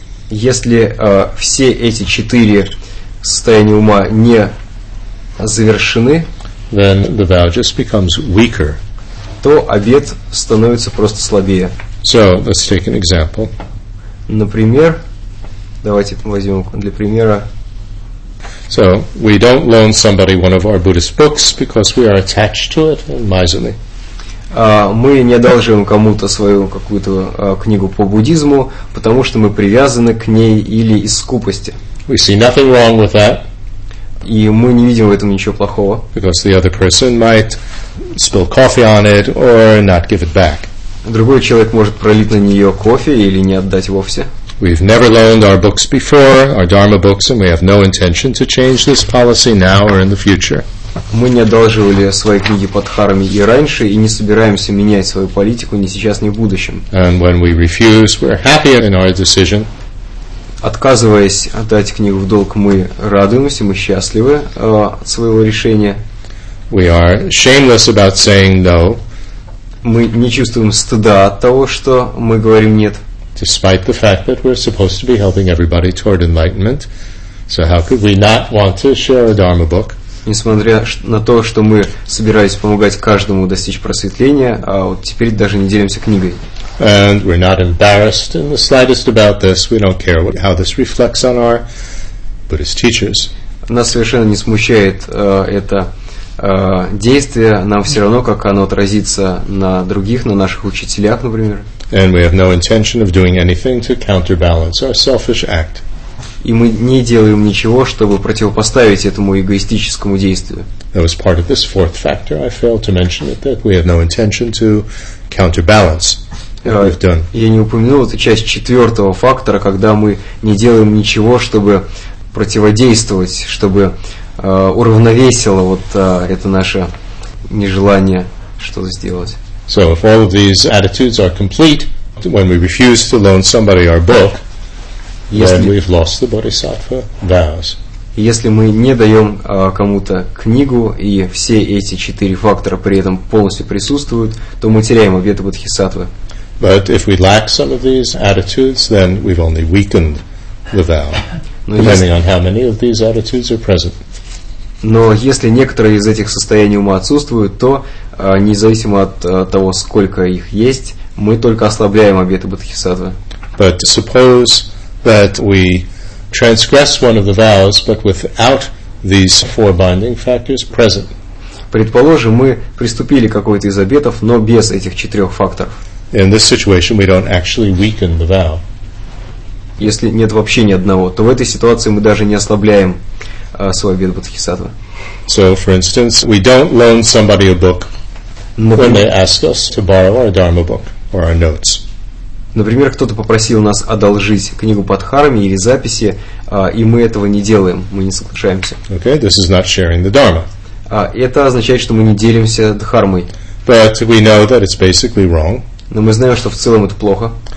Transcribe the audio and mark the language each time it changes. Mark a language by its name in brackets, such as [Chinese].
[Russian] если все эти четыре состояния ума не завершены, [English] then the vow just becomes weaker. [Russian] То обет становится просто слабее. [English] So let's take an example. [Russian] Например, давайте возьмем для примера. [English] So, we don't loan somebody one of our Buddhist books because we are attached to it and miserly. [Russian] Мы не одалживаем кому-то свою какую-то книгу по буддизму, потому что мы привязаны к ней или из скупости. [English] We see nothing wrong with that. [Russian] И мы не видим в этом ничего плохого. [English] Because the other person might spill coffee on it or not give it back. [Russian] Другой человек может пролить на нее кофе или не отдать вовсе. [English] We've never loaned our books before, our Dharma books, and we have no intention to change this policy now or in the future. [Russian] Мы не одалживали свои книги по дхарме и раньше, и не собираемся менять свою политику ни сейчас, ни в будущем. [English] And when we refuse, we're happy in our decision. [Russian] Отказываясь отдать книгу в долг, мы радуемся, мы счастливы от своего решения. [English] We are shameless about saying no. [Russian] Мы не чувствуем стыда от того, что мы говорим нет. [English] Despite the fact that we're supposed to be helping everybody toward enlightenment, so how could we not want to share a Dharma book? [Russian] Несмотря на то, что мы собирались помогать каждому достичь просветления, а вот теперь даже не делимся книгой. [English] And we're not embarrassed in the slightest about this. We don't care how this reflects on our Buddhist teachers. [Russian] Нас совершенно не смущает это действие. Нам все равно, как оно отразится на других, на наших учителях, например. [English] And we have no intention of doing anything to counterbalance our selfish act. [Russian] И мы не делаем ничего, чтобы противопоставить этому эгоистическому действию. [English] That was part of this fourth factor. I failed to mention it, that we have no intention to counterbalance what we've done. [Russian] Я не упомянул эту часть четвертого фактора, когда мы не делаем ничего, чтобы противодействовать, чтобы уравновесило вот это наше нежелание что-то сделать. [English] So if all of these attitudes are complete, when we refuse to loan somebody our book, then we've lost the bodhisattva vows. [Russian] Если мы не даем кому-то книгу, и все эти четыре фактора при этом полностью присутствуют, то мы теряем обеты бодхисаттвы. [English] But if we lack some of these attitudes, then we've only weakened the vow, depending on how many of these attitudes are present. [Russian] Но если некоторые из этих состояний ума отсутствуют, то независимо от того, сколько их есть, мы только ослабляем обеты бодхисаттвы. [English] But suppose that we transgress one of the vows, but without these four binding factors present. [Russian] Предположим, мы приступили к какой-то из обетов, но без этих четырех факторов. [English] In this situation, we don't actually weaken the vow. [Russian] если нет вообще ни одного, то в этой ситуации мы даже не ослабляем свой обет бодхисаттвы. [English] So, for instance, we don't loan somebody a book when they ask us to borrow our dharma book or our notes. [Russian] Например, кто-то попросил нас одолжить книгу по дхарме или записи, и мы этого не делаем, мы не соглашаемся. [English] Okay, this is not sharing the dharma. [Russian] Это означает, что мы не делимся дхармой. [English] But we know that it's basically wrong. [Russian] Но мы знаем, что в целом это плохо.